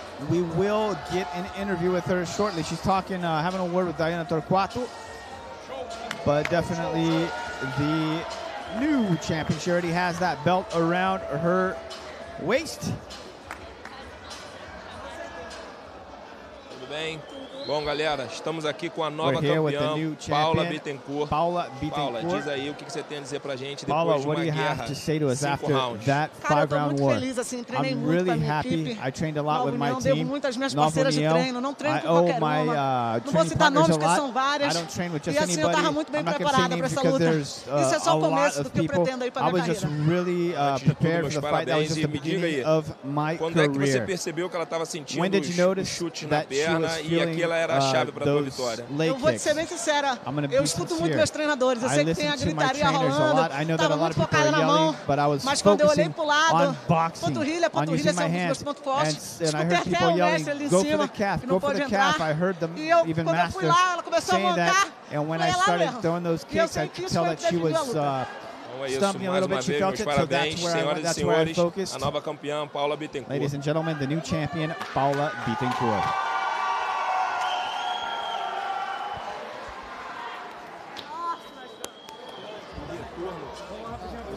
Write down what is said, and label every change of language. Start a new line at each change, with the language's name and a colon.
English: We will get an interview with her shortly. She's talking, having a word with Diana Torquato. But definitely the new champion. She already has that belt around her waist.
Portuguese: Bom, galera, estamos aqui com a nova campeã, Paula Bittencourt. Paula Bittencourt. Paula, diz aí o que você tem a dizer pra gente depois de uma guerra, cinco rounds.
English: Paula, what do you have to say to us after that five-round war? I'm really happy. I trained a lot with my team.
Portuguese: Devo muitas minhas parceiras de treino. Não treino com qualquer uma. Não vou citar nomes, porque são várias.
English: I don't train with just anybody.
Portuguese: E assim, eu estava muito bem preparada para essa luta. Isso é só o começo do que eu pretendo aí para minha carreira.
English: I was just really prepared for the fight. That was just the beginning of my career.
Portuguese: Quando é que você percebeu que ela estava sentindo o chute na perna e aquela era a chave para a vitória. Eu vou ser bem sincera. Eu escuto muito meus treinadores. Eu sei que tem a gritaria rolando. Estava muito focada na mão. Mas quando eu olhei para o lado, panturrilha são um dos meus pontos fortes. Escutei até o mestre ali em cima, que não pode entrar. E eu, quando eu fui lá, ela começou a montar.
English: And when I started throwing those kicks, I could tell that she was stumbling a little bit. She felt it, so that's where I focused.
Portuguese: A nova campeã, Paula Bittencourt.
English: Ladies and gentlemen, the new champion, Paula Bittencourt.